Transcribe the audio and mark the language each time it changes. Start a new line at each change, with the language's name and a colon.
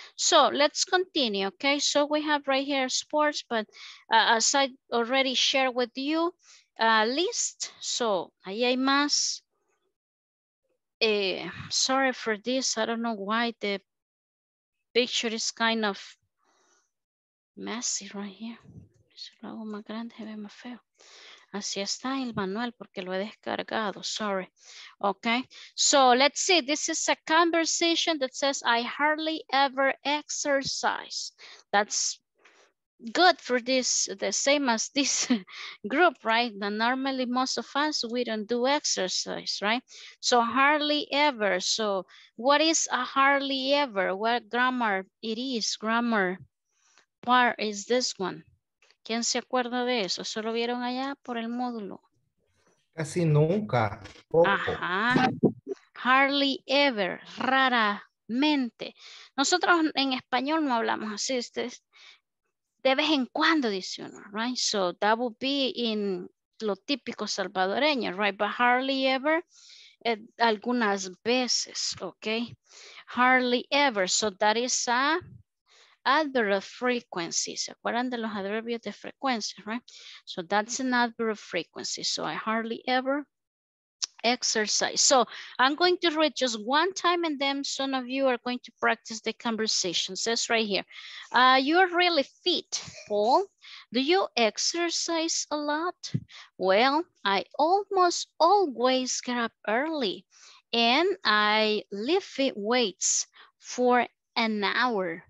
English: So let's continue, okay? So we have right here sports, but as I already shared with you, list,
Spanish: so ahí hay más.
English: Sorry for this, I don't know why the picture is kind of messy right here.
Spanish: Si lo hago más grande, se ve más feo. Así está el manual porque lo he descargado, sorry.
English: Okay, so let's see. This is a conversation that says, I hardly ever exercise. That's good for this, the same as this group, right? Now, normally, most of us, we don't do exercise, right? So hardly ever. So what is a hardly ever? What grammar it is, grammar part is this one.
Spanish: ¿Quién se acuerda de eso? ¿Se lo vieron allá por el módulo? Casi nunca. Poco. Ajá.
English: Hardly ever.
Spanish: Raramente. Nosotros en español no hablamos así. Ustedes, de vez en cuando dice uno, right?
English: So that would be in
Spanish: lo típico salvadoreño,
English: right? But hardly ever,
Spanish: algunas veces,
English: okay? Hardly ever. So that is a adverb of frequency.
Spanish: ¿Se acuerdan de los adverbios de frecuencia, right?
English: So that's an adverb of frequency. So I hardly ever exercise. So I'm going to read just one time and then some of you are going to practice the conversation. It says right here, you're really fit, Paul. Do you exercise a lot? Well, I almost always get up early and I lift weights for an hour.